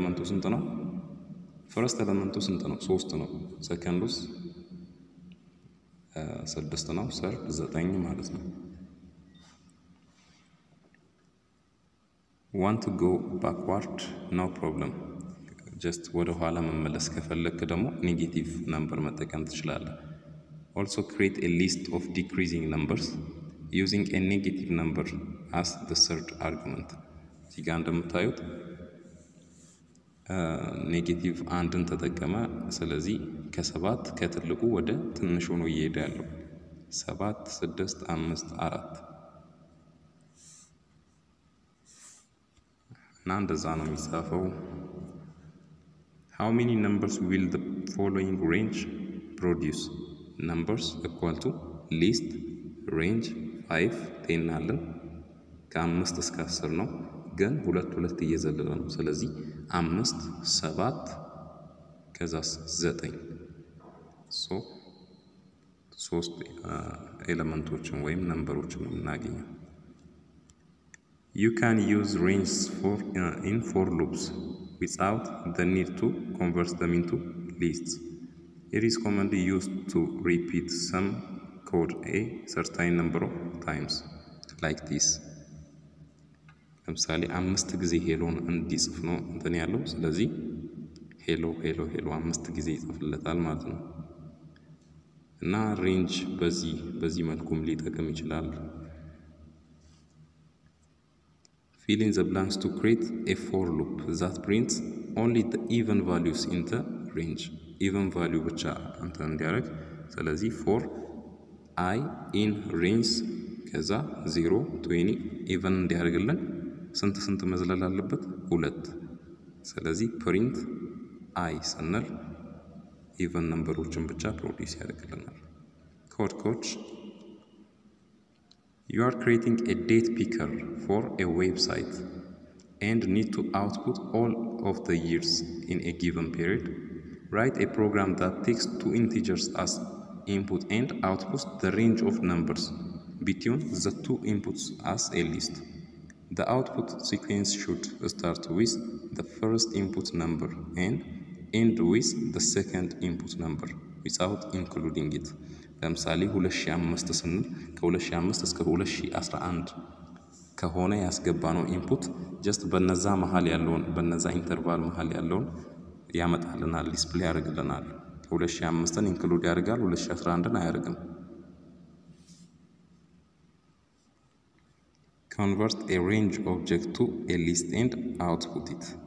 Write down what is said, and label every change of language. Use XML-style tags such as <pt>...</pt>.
<am>ስንት ነው first element ስንት ነው 3 ነው secondስ 6 ነው ሰር 9 ማለት ነው</am> <en>want to go backward no problem</en> <am>just ወደ ኋላ መመለስ ከፈለክ ደግሞ ኔጌቲቭ ነምበር መጠቀም ትችላለህ።</am> <en>Also create a list of decreasing numbers using a negative number as the third argument.</en> <am>እዚጋ እንደምታዩት ኔጌቲቭ አንድን ተጠቀመ። ስለዚህ ከሰባት ከትልቁ ወደ ትንሹ ነው ይሄዳለው። 7 6 5 4 እንደዛ ነው የሚጻፈው።</am> <en>How many numbers will the following range produce? Numbers equal to least range 5 10</en> <am>አለን። ከአምስት እስከ 10 ነው ግን ሁለት ሁለት እየዘለለ ነው። ስለዚህ 5 7 ከዛስ 9 so 3 ኤሌመንቶችን ወይም ነምበሮችን እናገኛለን።</am> <en>You can use range for in for loops without the need to convert them into lists. It is commonly used to repeat some code a certain number of times like this.</en> <am>ለምሳሌ አምስት ጊዜ ሄሎን እንዲጽፍ ነው እንትን ያለው። ስለዚህ ሄሎ ሄሎ ሄሎ አምስት ጊዜ ይጽፍለታል ማለት ነው። እና range በዚህ መልኩም ሊጠቅም ይችላል።</am> <en>Fill in the blanks to create a for loop that prints only the even values in the range.</en> <am>Even value ብቻ እንትን እንዲያደርግ። ስለዚህ for i in range ከዛ 0 20 even እንዲያደርግልን ስንት ስንት መዝለል አለበት? 2 ስለዚህ print i ስንል even ነምበሮችን ብቻ ፕሮዲስ ያደርግልናል።</am> <en>code coach You are creating a date picker for a website and need to output all of the years in a given period. Write a program that takes two integers as input and outputs the range of numbers between the two inputs as a list. The output sequence should start with the first input number and end with the second input number without including it.</en> <am>ለምሳሌ 2005 ስንል ከ2005 እስከ 2011 ከሆነ ያስገባነው ኢንፑት ጀስት በነዛ መሃል ያለውን በነዛ ኢንተርቫል መሃል ያለውን ያመጣልናል፣ ዲስፕሌ ያደርግልናል። 2005ን ኢንክሉድ ያደርጋል፣ 2011ን አያደርግም።</am> <en>Convert a range object to a list and output it.</en>